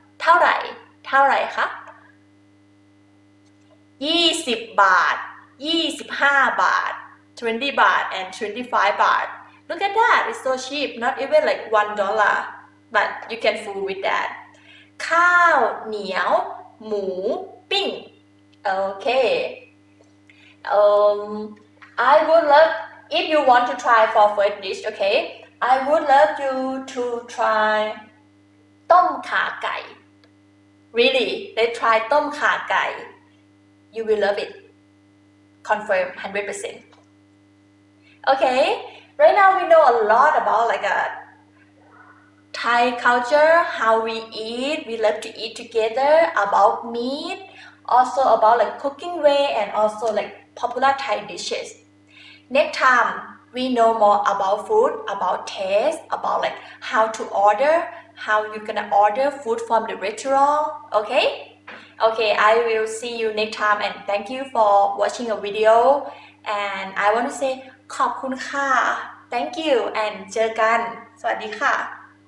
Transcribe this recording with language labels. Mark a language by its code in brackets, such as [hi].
[th] เท่าไหร่ครับ20บาท25บาท20บาท and 25บาท [en] Look at that, it's so cheap. Not even like $1, but you can fool with that. [th] ข้าวเหนียวหมูปิ้ง Okay. [en] I would love if you want to try for first dish. Okay. I would love you to try ต้มขาไก่ Really? Let's try ต้มขาไก่ You will love it Confirm 100% Okay, right now we know a lot about like a Thai culture, how we eat, we love to eat together, about meat, also about like cooking way and also like popular Thai dishes. Next timeWe know more about food, about taste, about like how to order, how you're gonna order food from the restaurant, okay? Okay, I will see you next time and thank you for watching a video. And I want to say [th] ขอบคุณค่ะ. [en] Thank you and [th] เจอกัน. สวัสดีค่ะ.